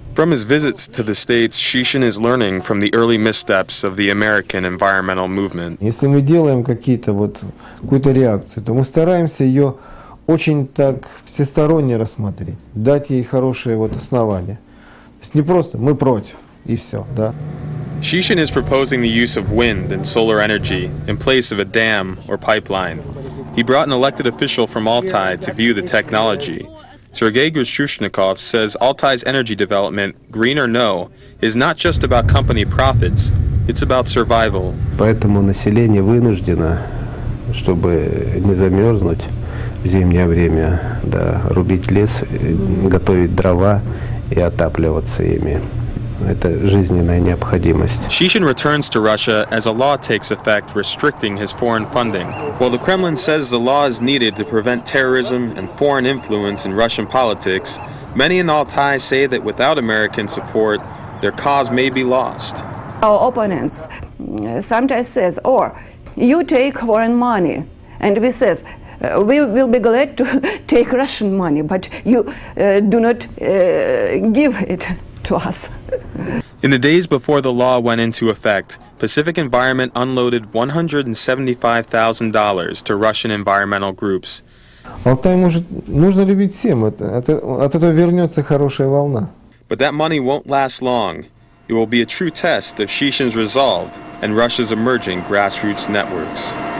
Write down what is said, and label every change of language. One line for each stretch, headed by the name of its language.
English: From his visits to the States, Shishin is learning from the early missteps of the American environmental movement.
Russian: Если мы делаем какую-то реакцию, то мы стараемся ее очень так всесторонне рассмотреть, дать ей хорошие основания. Не просто мы против и все, да.
English: Shishin is proposing the use of wind and solar energy in place of a dam or pipeline. He brought an elected official from Altai to view the technology. Sergei Grushchushnikov says Altai's energy development, green or no, is not just about company profits, it's about survival.
Russian: Поэтому население вынуждено, чтобы не замерзнуть в зимнее время, да, рубить лес, готовить дрова. И отапливаться ими. Это жизненная необходимость.
English: Shishin returns to Russia as a law takes effect restricting his foreign funding. While the Kremlin says the law is needed to prevent terrorism and foreign influence in Russian politics, many in Altai say that without American support, their cause may be lost. Our opponents sometimes says, or you take foreign money, and we says, we will be glad to take Russian money, but you do not give it to us. In the days before the law went into effect, Pacific Environment unloaded $175,000 to Russian environmental groups.
Russian: Altai может нужно любить всем. От этого вернется хорошая волна.
English: But that money won't last long. It will be a true test of Shishin's resolve and Russia's emerging grassroots networks.